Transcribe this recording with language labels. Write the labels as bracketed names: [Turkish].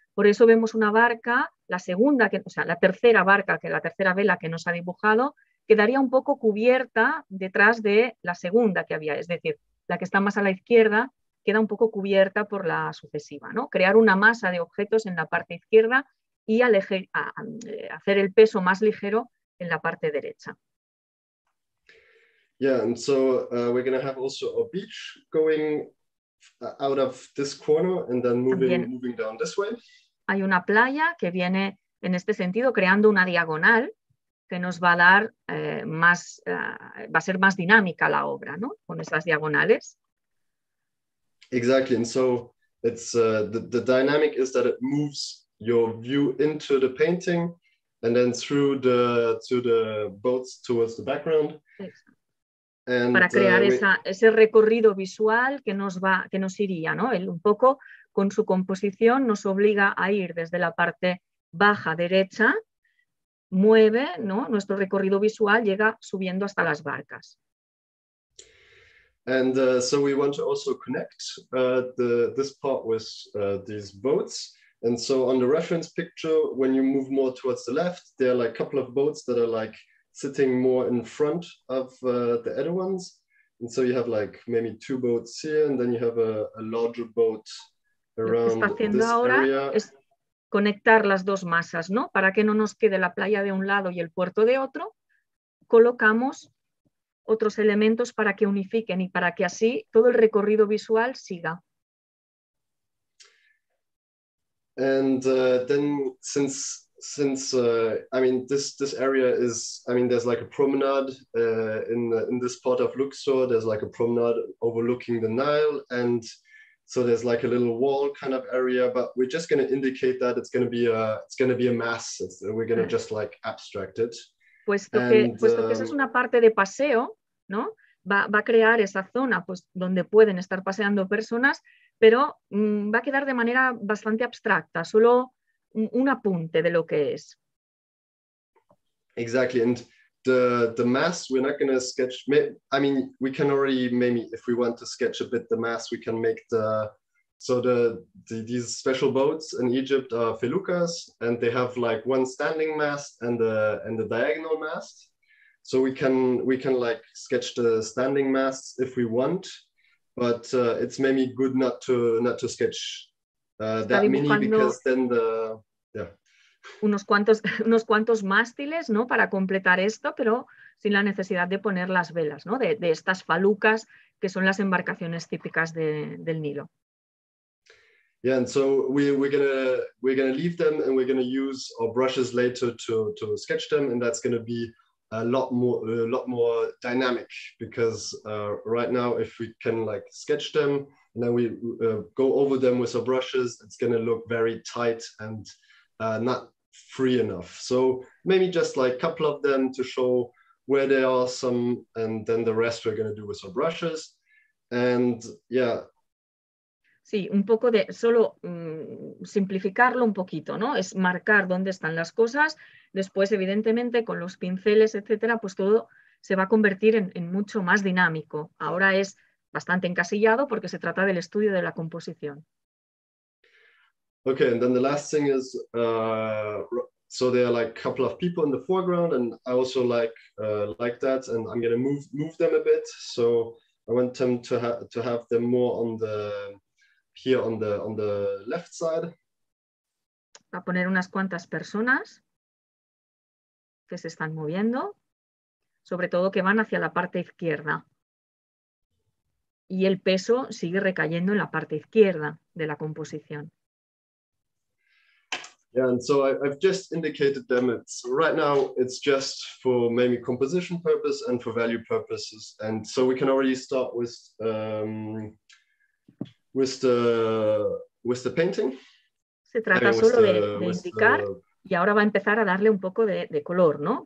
[Spanish] Por eso vemos una barca, la segunda, la tercera barca, que la tercera vela que nos ha dibujado, quedaría un poco cubierta detrás de la segunda que había, es decir, la que está más a la izquierda queda un poco cubierta por la sucesiva, ¿no? Crear una masa de objetos en la parte izquierda y hacer el peso más ligero en la parte derecha. [English] Yeah, and so we're going to have also a beach going out of this corner and then moving down this way. [Spanish] Hay una playa que viene en este sentido creando una diagonal que nos va a dar va a ser más dinámica la obra, ¿no? Con esas diagonales. [English] Exactly, and so it's the dynamic is that it moves your view into the painting and then through the to the boats towards the background. Exactly. And, [Spanish] para crear ese recorrido visual que nos iría, ¿no? Él un poco con su composición nos obliga a ir desde la parte baja derecha, mueve, ¿no? Nuestro recorrido visual llega subiendo hasta las barcas. [English] And so we want to also connect this part with these boats. And so on the reference picture, when you move more towards the left, there are like a couple of boats that are like sitting more in front of the other ones. And so you have like maybe two boats here and then you have a larger boat around this area. [Spanish] Lo que está haciendo ahora es conectar las dos masas, ¿no? Para que no nos quede la playa de un lado y el puerto de otro, colocamos otros elementos para que unifiquen y para que así todo el recorrido visual siga. [English] And then since I mean this area is, I mean, there's like a promenade in this part of Luxor. There's like a promenade overlooking the Nile, and so there's like a little wall kind of area, but we're just going to indicate that it's going to be a mass. We're going to just like abstract it. [Spanish] Puesto que esa es una parte de paseo, ¿no? Va a crear esa zona, pues, donde pueden estar paseando personas, pero va a quedar de manera bastante abstracta, solo un apunte de lo que es. [English] Exactly, and the mass we're not going to sketch. I mean, we can already maybe if we want to sketch a bit the mass, we can make the these special boats in Egypt are feluccas, and they have like one standing mast and the diagonal mast. So we can like sketch the standing masts if we want, but it's maybe good not to sketch that many, because then the [Spanish] unos cuantos mástiles, ¿no? Para completar esto, pero sin la necesidad de poner las velas, ¿no? De estas falucas que son las embarcaciones típicas del Nilo. [English] Yeah, and so we're gonna leave them, and we're gonna use our brushes later to sketch them, and that's gonna be a lot more dynamic, because right now if we can like sketch them and then we go over them with our brushes, it's gonna look very tight and not free enough. So maybe just like a couple of them to show where they are some, and then the rest we're gonna do with our brushes. And yeah. [Spanish] Sí, un poco de solo simplificarlo un poquito, ¿no? Es marcar dónde están las cosas. Después, evidentemente, con los pinceles, etcétera, pues todo se va a convertir en mucho más dinámico. Ahora es bastante encasillado porque se trata del estudio de la composición. [English] Okay, and then the last thing is, so there are like a couple of people in the foreground, and I also like that, and I'm going to move them a bit. So I want them to have them more on the here on the left side. [Spanish] Va a poner unas cuantas personas que se están moviendo, sobre todo que van hacia la parte izquierda. Y el peso sigue recayendo en la parte izquierda de la composición. [English] Yeah, and so I've just indicated them. It's right now it's just for maybe composition purpose and for value purposes. And so we can already start with the painting. [Spanish] Se trata solo de indicar y ahora va a empezar a darle un poco de color, ¿no?